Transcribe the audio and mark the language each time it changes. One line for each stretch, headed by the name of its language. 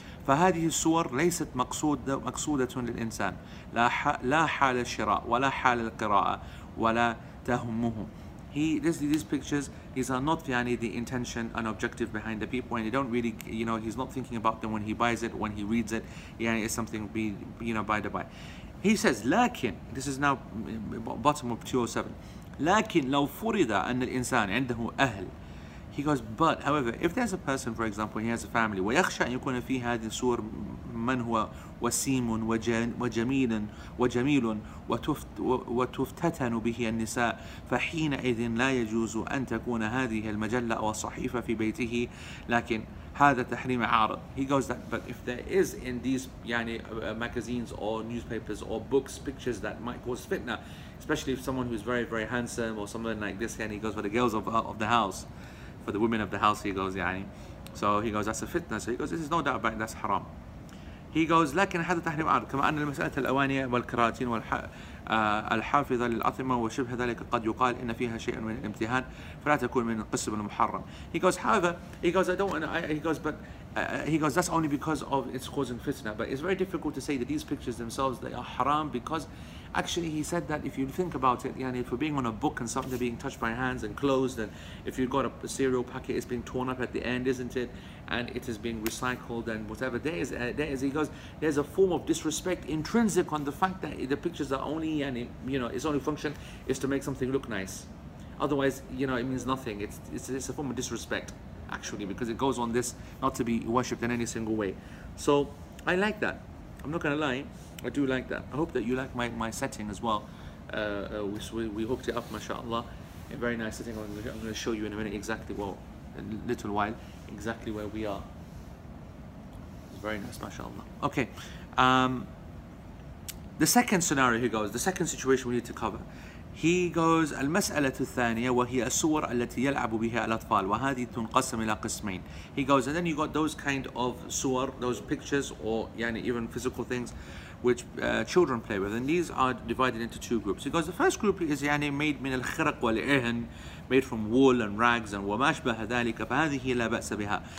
Arabic: فَهَذِهِ السُّوَرْ لَيْسَتْ مَقْصُودَةٌ لِلْإِنسَانِ لَا حَالَ الشِّرَاءِ وَلَا حَالَ الْقِرَاءَةِ وَلَا تَهُمُّهُ
English: These pictures, these are not the intention and objective behind the people, and they don't really, you know, he's not thinking about them when he buys it, when he reads it. Yeah, it's something by the by. He says, لكن, this is now bottom of 207.
Arabic: لكن لو فرض أن الإنسان عنده أهل.
English: He goes, but however, if there's a person, for example, he has a family,
Arabic: ويخشى أن يكون في هذه الصور من هو وسيم وجميل وجميل وتفتتن به النساء فحينئذ لا يجوز أن تكون هذه المجلة أو الصحيفة في بيته لكن هذا تحريم عارض.
English: He goes that, but if there is in these magazines or newspapers or books pictures that might cause fitna, especially if someone who's very very handsome or someone like this, and he goes for the girls of the house, for the women of the house, he goes so he goes that's a fitna. So he goes, this is no doubt about it, that's haram. He goes,
Arabic: لكن هذا تحريم عارض كما أن المسألة الأوانية والكراتين والحافظة للأطعمة وشبه ذلك قد يقال إن فيها شيئا من الامتهان فلا تكون من القسم المحرم.
English: He goes, however, he goes, I don't want to, he goes, but he goes, that's only because of it's causing fitna. But it's very difficult to say that these pictures themselves, they are haram, because actually he said that if you think about it, if we're being on a book and something being touched by hands and closed, and if you've got a cereal packet, it's being torn up at the end, isn't it? And it is being recycled and whatever. There's a form of disrespect intrinsic on the fact that the pictures are only, its only function is to make something look nice. Otherwise, it means nothing. It's a form of disrespect, actually, because it goes on this not to be worshipped in any single way. So I like that. I'm not gonna lie, I do like that. I hope that you like my setting as well. We hooked it up, mashallah, a very nice setting. I'm gonna show you in a minute exactly, well, a little while, exactly where we are. It's very nice, mashallah. Okay, the second scenario, he goes, the second situation we need to cover. He goes,
Arabic: المسألة الثانية وهي الصور التي يلعب بها الأطفال وهذه تنقسم إلى قسمين.
English: He goes, and then you got those kind of صور, those pictures, or even physical things which children play with, and these are divided into two groups. He goes, the first group is made
Arabic: من الخرق والإهن,
English: made from wool and rags and
Arabic: وما أشبه ذلك فهذه لا بأس بها.